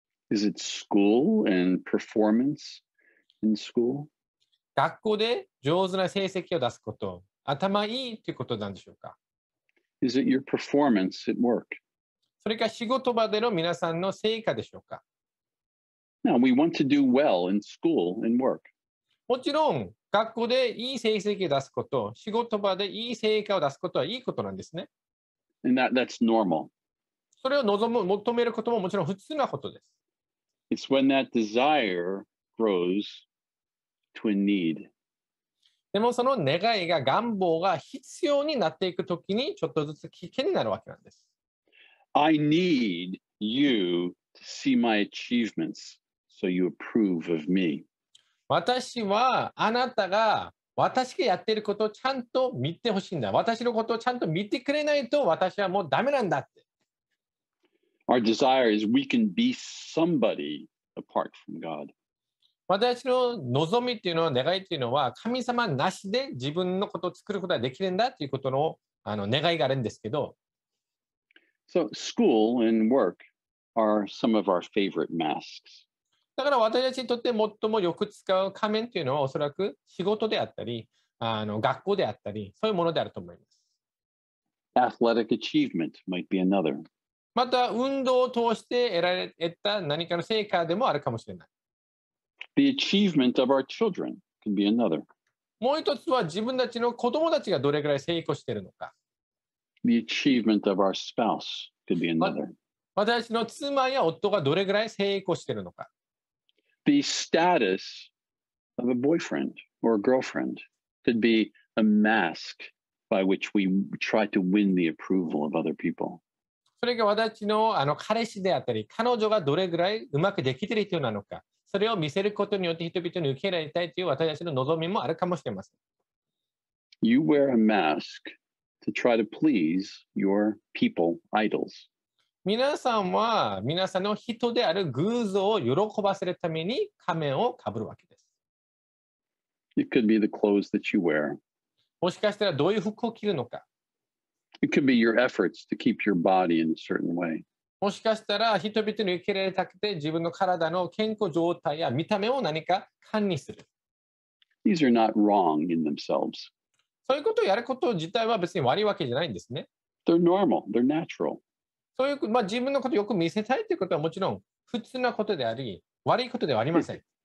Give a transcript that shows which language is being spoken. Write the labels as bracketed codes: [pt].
[en] Is it school and performance in school? [ja] 学校で上手な成績を出すこと、頭いいということなんでしょうか? [en] Is it your performance at work? [ja] それか仕事場での皆さんの成果でしょうか。 [en] Now, we want to do well in school and work. [ja] もちろん、学校でいい成績を出すこと、仕事場でいい成果を出すことはいいことなんですね。 [en] And that's normal. [ja] それを望む、求めることももちろん普通なことです。 [en] It's when that desire grows to a need. [ja] でもその願いが、願望が必要になっていくときに、ちょっとずつ危険になるわけなんです。 [en] I need you to see my achievements so you approve of me. [ja] 私はあなたが私がやっていることをちゃんと見てほしいんだ。私のことをちゃんと見てくれないと私はもうダメなんだって。 [en] Our desire is we can be somebody apart from God. [ja] 私の望みっていうのは、願いっていうのは、神様なしで自分のことを作ることができるんだっていうことの、あの願いがあるんですけど。 [en] So, school and work are some of our favorite masks. [ja] だから私たちにとって最もよく使う仮面っていうのは、おそらく仕事であったり、あの学校であったり、そういうものであると思います。 [en] Athletic achievement might be another. [ja] また、運動を通して得た何かの成果でもあるかもしれない。 [en] The achievement of our children can be another. [ja] もう一つは自分たちの子供たちがどれくらい成功しているのか。 [en] The achievement of our spouse can be another. [ja] 私の妻や夫がどれくらい成功しているのか。 [en] The status of a boyfriend or a girlfriend could be a mask by which we try to win the approval of other people. [ja] それが私の、あの彼氏であったり、彼女がどれくらいうまくできている人なのか。それを見せることによって人々に受け入れられたいという私たちの望みもあるかもしれません。 [en] You wear a mask to try to please your people, idols. [ja] 皆さんは皆さんの人である偶像を喜ばせるために仮面をかぶるわけです。 [en] It could be the clothes that you wear. [ja] もしかしたらどういう服を着るのか。 [en] It could be your efforts to keep your body in a certain way. [ja] もしかしたら人々に受け入れたくて自分の体の健康状態や見た目を何か管理する。 [en] These are not wrong in themselves. [ja] そういうことをやること自体は別に悪いわけじゃないんですね。 [en] They're normal. They're natural. [ja] そういう、まあ、自分のことをよく見せたいということはもちろん普通なことであり、悪いことではありません。